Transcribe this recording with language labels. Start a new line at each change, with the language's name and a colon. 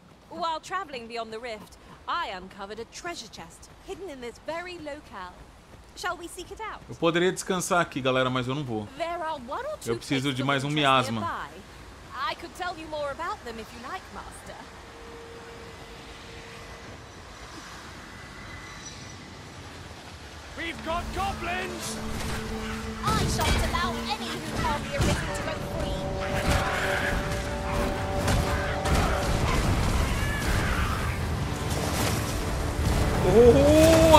English: While traveling beyond the rift, I uncovered a treasure chest hidden in this very locale. Shall we seek it out?
Portuguese: Eu poderia descansar aqui, galera, mas eu não vou.
English: There are one or two.
Portuguese: Eu preciso de mais um miasma.
English: I could tell you more about them if you like, Master. We've got goblins! I shall not allow any who can't be arisen to go free.